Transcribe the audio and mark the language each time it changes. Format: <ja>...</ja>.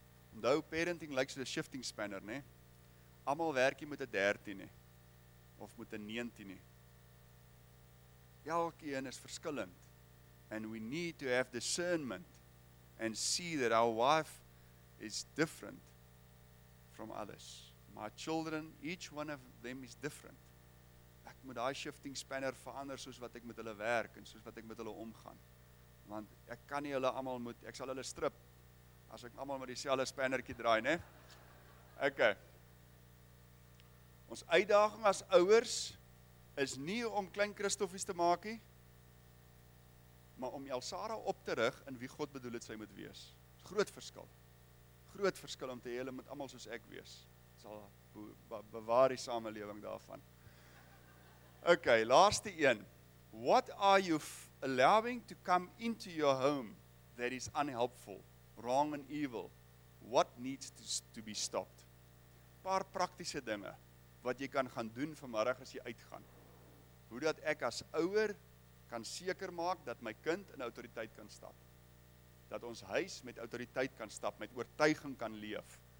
<af>Onthou, parenting lyk soos 'n shifting spanner, né? Almal werk jy met 'n 13, né? Of met 'n 19, né? Elkeen is verskillend.</af> <en>And we need to have discernment and see that our wife is different from others. My children, each one of them is different.</en> <af>Ek moet daai shifting spanner verander soos wat ek met hulle werk en soos wat ek met hulle omgaan. Want ek kan nie hulle almal moet, ek sal hulle strip as ek almal met dieselfde spannertjie draai, né? Okay. Ons uitdaging as ouers is nie om klein Christoffies te maak nie, maar om Elsara op te rig in wie God bedoel het sy moet wees. Groot verskil. Groot verskil om te hê hulle moet almal soos ek wees. Sal bewaar die samelewing daarvan. Ok, laaste een.</af> <en>What are you allowing to come into your home that is unhelpful, wrong and evil? What needs to be stopped?</en> <af>Paar praktiese dinge wat jy kan gaan doen vanmorgen as jy uitgaan. Hoe dat ek as ouer kan seker maak dat my kind in autoriteit kan stap. Dat ons huis met autoriteit kan stap, met oortuiging kan leef.</af>